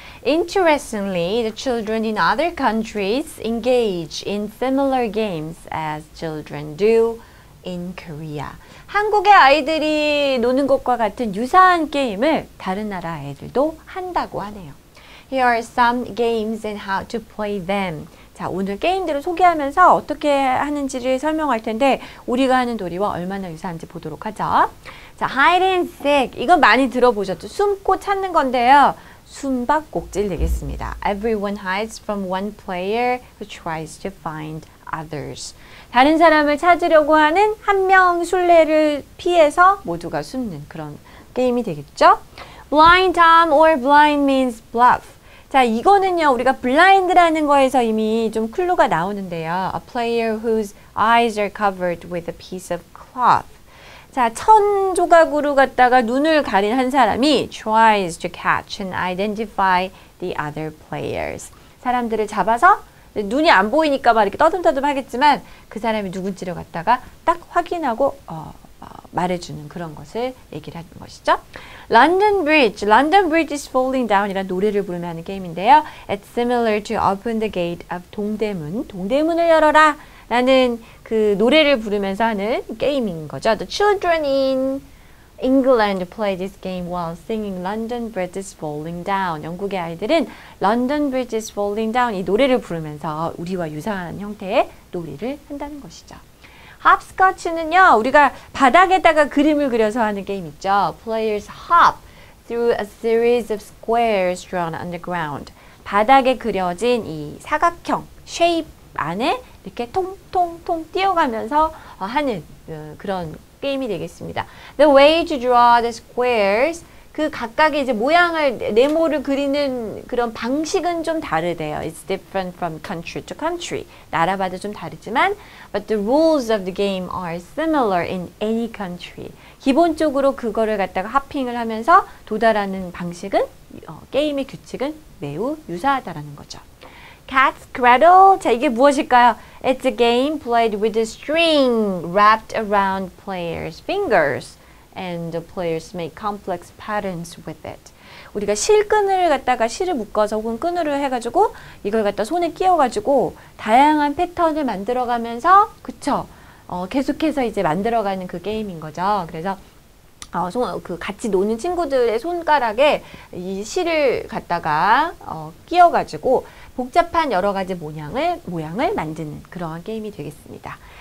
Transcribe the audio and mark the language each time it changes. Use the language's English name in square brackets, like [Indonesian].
[English] Interestingly, the children in other countries engage in similar games as children do in Korea. [Korean] 한국의 아이들이 노는 것과 같은 유사한 게임을 다른 나라 아이들도 한다고 하네요. [English] Here are some games and how to play them. [Korean] 자, 오늘 게임들을 소개하면서 어떻게 하는지를 설명할 텐데 우리가 하는 놀이와 얼마나 유사한지 보도록 하죠. 자, [English] hide and seek. [Korean] 이건 많이 들어보셨죠? 숨고 찾는 건데요. 숨바꼭질 되겠습니다. [English] Everyone hides from one player who tries to find others. [Korean] 다른 사람을 찾으려고 하는 한 명 술래를 피해서 모두가 숨는 그런 게임이 되겠죠. [English] Blind Tom or blind means bluff. [Korean] 자, 이거는요, 우리가 blind라는 거에서 이미 좀 클루가 나오는데요. [English] A player whose eyes are covered with a piece of cloth. [Korean] 자, 천 조각으로 갖다가 눈을 가린 한 사람이 [English] tries to catch and identify the other players. [Korean] 사람들을 잡아서 눈이 안 보이니까 막 이렇게 떠듬떠듬 하겠지만 그 사람이 누군지를 갖다가 딱 확인하고 말해주는 그런 것을 얘기를 하는 것이죠. [English] London Bridge is falling down [Korean] 이란 노래를 부르며 하는 게임인데요. [English] It's similar to open the gate of 동대문. [Korean] 동대문을 열어라 라는 그 노래를 부르면서 하는 게임인 거죠. [English] The children in England play this game while singing London Bridge is falling down. [Korean] 영국의 아이들은 [English] London Bridge is falling down [Korean] 이 노래를 부르면서 우리와 유사한 형태의 놀이를 한다는 것이죠. Hopscotch는요, 우리가 바닥에다가 그림을 그려서 하는 게임 있죠. [English] Players hop through a series of squares drawn on the ground. [Korean] 바닥에 그려진 이 사각형, shape 안에 이렇게 통통통 뛰어가면서 하는 그런 게임이 되겠습니다. [English] The way to draw the squares, [Korean] 그 각각의 이제 모양을, 네모를 그리는 그런 방식은 좀 다르대요. [English] It's different from country to country. [Korean] 나라마다 좀 다르지만, [English] but the rules of the game are similar in any country. [Korean] 기본적으로 그거를 갖다가 하핑을 하면서 도달하는 방식은, 게임의 규칙은 매우 유사하다라는 거죠. Cat's Cradle. 자, 이게 무엇일까요? [English] It's a game played with a string wrapped around players' fingers. And the players make complex patterns with it. [Korean] 우리가 실끈을 갖다가 실을 묶어서 혹은 끈으로 해가지고 이걸 갖다 손에 끼워가지고 다양한 패턴을 만들어가면서 그쵸? 계속해서 이제 만들어가는 그 게임인 거죠. 그래서 같이 노는 친구들의 손가락에 이 실을 갖다가 끼워가지고 복잡한 여러 가지 모양을 만드는 그러한 게임이 되겠습니다.